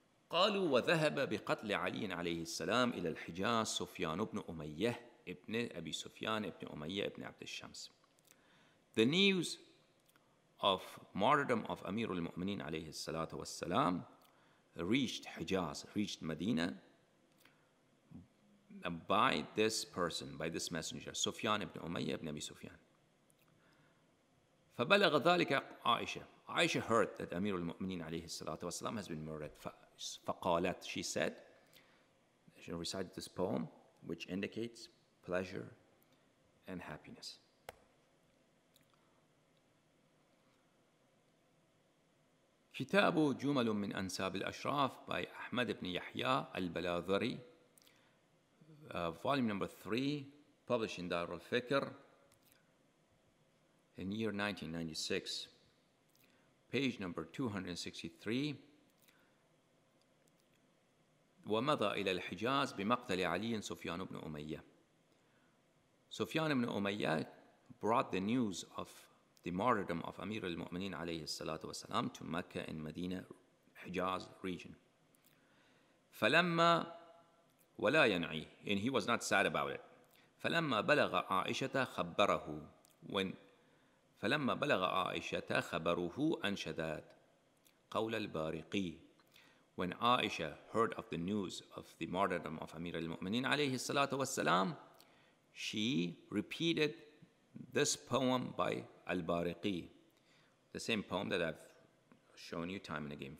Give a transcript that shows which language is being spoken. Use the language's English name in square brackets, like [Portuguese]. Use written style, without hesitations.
[Arabic] قالوا وذهب بقتل علي عليه السلام إلى الحجاز سفيان بن أمية ابن أبي سفيان ابن أمية ابن عبد الشمس. [English] The news of martyrdom of Amir al-Mu'minin [Arabic] عليه الصلاة والسلام [English] reached Hijaz, reached Medina by this person, by this messenger, سفيان ابن أمية ابن أبي سفيان. [Arabic] فبلغ ذلك عائشة. [English] Aisha heard that Amir al-Mu'minin [Arabic] عليه الصلاة والسلام [English] has been murdered. [Arabic] فقالت, [English] she said, she recited this poem, which indicates pleasure and happiness. كتاب جمل من أنساب الأشراف by أحمد بن يحيى البلاذري, volume number 3, published in Dar al-Fikr in year 1996, page number 263. [Arabic] ومضى إلى الحجاز بمقتل علي سفيان بن أمية. [English] سفيان بن أمية brought the news of the martyrdom of Amir al-Mu'mineen [Arabic] alayhi salatu wasalam [English] to Mecca in Medina, Hijaz region. [Arabic] فَلَمَّا وَلَا يَنْعِي, [English] and he was not sad about it. [Arabic] فَلَمَّا بَلَغَ عَائِشَةَ خَبَّرَهُ, [English] when [Arabic] فَلَمَّا بَلَغَ عَائِشَةَ خَبَرُهُ أَنْشَدَتْ قَوْلَ الْبَارِقِي, [English] when Aisha heard of the news of the martyrdom of Amir al-Mu'mineen [Arabic] alayhi salatu wasalam, [English] she repeated this poem by Al-Bariqi, the same poem that I've shown you time and again.